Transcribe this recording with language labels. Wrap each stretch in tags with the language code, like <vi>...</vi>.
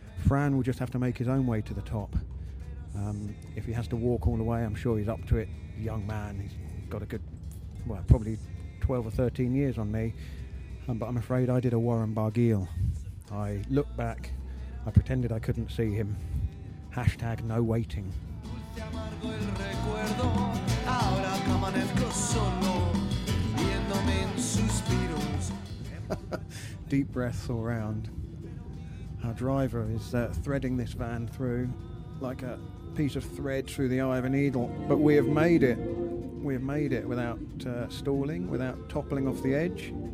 <en>Fran will just have to make his own way to the top. If he has to walk all the way, I'm sure he's up to it. Young man, he's got a good, well, probably 12 or 13 years on me. But I'm afraid I did a Warren Barguil. I looked back, I pretended I couldn't see him. Hashtag no waiting.</en> <es>Amargo el recuerdo, ahora que amanezco solo, viéndome en suspiros.</es> <en>deep breaths all round. Our driver is threading this van through like a piece of thread through the eye of a needle. But we have made it. We have made it without stalling, without toppling off the edge.</en>